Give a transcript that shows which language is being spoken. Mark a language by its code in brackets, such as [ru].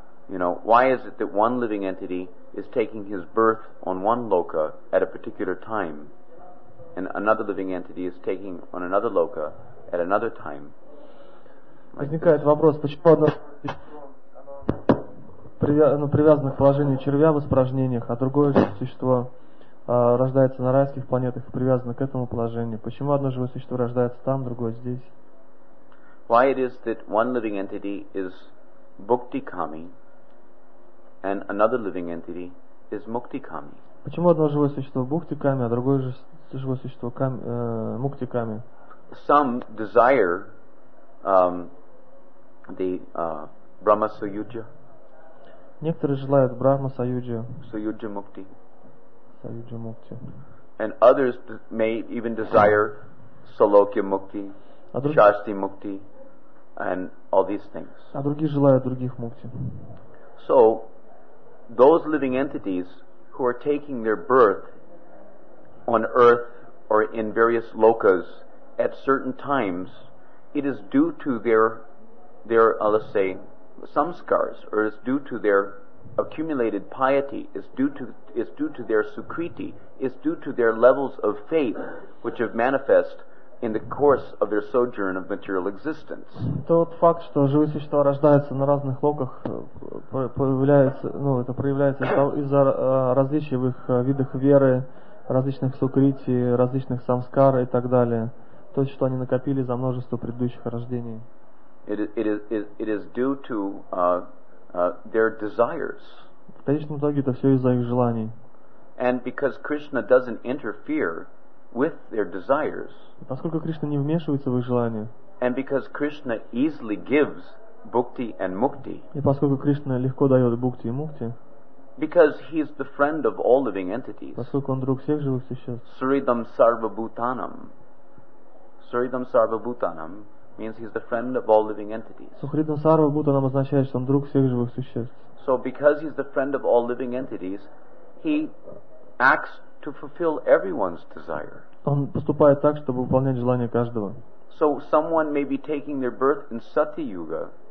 [en] You know, why is it that one living entity is taking his birth on one loka at a particular time and another living entity is taking on another loka at another time? [ru] Возникает вопрос, почему одно привязано к положению червя в испражнениях, а другое существо рождается на райских планетах и привязано к этому положению. Почему одно живое существо рождается там, другое здесь? [en] Why it is that one living entity is bhukti kami and another living entity is mukti kami? [ru] Почему одно живое существо bhukti kami, а другое живое существо mukti kami? [en] Some desire Brahma Sayujya. [ru] Некоторые желают Брахма Саюджа. Саюджа мукти. Саюджа мукти. [en] And others may even desire Салокья мукти, Шасти мукти, and all these things. [ru] А другие желают других мукти. [en] So those living entities who are taking their birth on earth or in various lokas at certain times, it is due to their let's say some scars, or is due to their accumulated piety, is due to their sukriti, is due to their levels of faith which have manifest in the course of their sojourn of material existence. [ru] Тот факт, что живые существа рождаются на разных локах, появляется, ну, это проявляется из-за различий в их видах веры, различных сукрити, различных самскар и так далее. То, что они накопили за множество предыдущих рождений. [en] It is due to their desires. [ru] В конечном итоге это все из-за их желаний. [en] And because Krishna doesn't interfere with their desires. [ru] Поскольку Кришна не вмешивается в их желания. [en] And because Krishna easily gives bhakti and mukti. [ru] И поскольку Кришна легко дает бхакти и мукти. [en] Because he is the friend of all living entities. [ru] Поскольку он друг всех живых существ. [sa] Sridham sarva bhutanam. Sridham sarva bhutanam [en] means he's the friend of all living entities. [sa] Sridham sarva bhutanam [ru] означает, что он друг всех живых существ. [en] So because he's the friend of all living entities, he acts to fulfill everyone's desire. [ru] Он поступает так, чтобы выполнять желание каждого. [en] So someone may be taking their birth in Satya Yuga.